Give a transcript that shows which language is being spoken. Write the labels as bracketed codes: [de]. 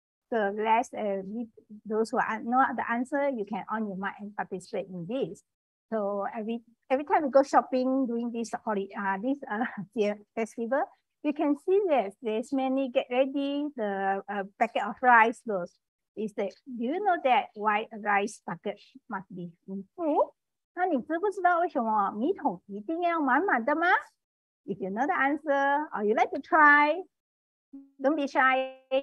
[en] So let's, those who know the answer, you can on your mic and participate in this. So every time we go shopping during this holiday, festival, you can see that there's many get ready, the packet of rice. Those is that, do you know that why a rice packet must be full? [zh] 那你知不知道为什么米桶一定要满满的吗? [en] If you know the answer or you like to try, don't be shy.